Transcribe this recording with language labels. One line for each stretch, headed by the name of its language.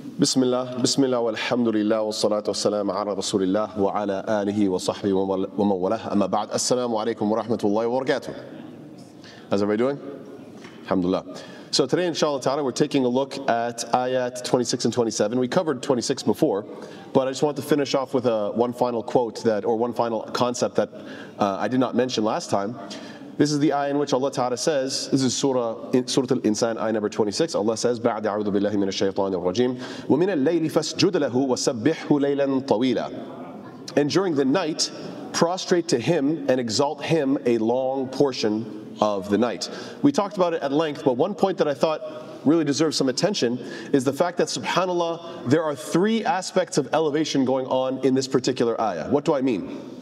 Arabic: بسم الله والحمد لله والصلاة والسلام على رسول الله وعلى آله وصحبه ومن والاه. أما بعد, السلام عليكم ورحمة الله وبركاته.
English: How's everybody doing? Alhamdulillah. So today, inshallah ta'ala, we're taking a look at ayat 26 and 27. We covered 26 before, but I just want to finish off with one final quote one final concept that I did not mention last time. This is the ayah in which Allah Ta'ala says, this is Surah Al-Insan, ayah number 26. Allah says,
Arabic: بَعْدَ أَعُوذُ بِاللَّهِ مِنَ الشَّيْطَانِ الرَّجِيمِ وَمِنَ اللَّيْلِ فَاسْجُدْ لَهُ وَسَبِّحْهُ لَيْلًا طَوِيلًا.
English: And during the night, prostrate to him and exalt him a long portion of the night. We talked about it at length, but one point that I thought really deserves some attention is the fact that, subhanAllah, there are three aspects of elevation going on in this particular ayah. What do I mean?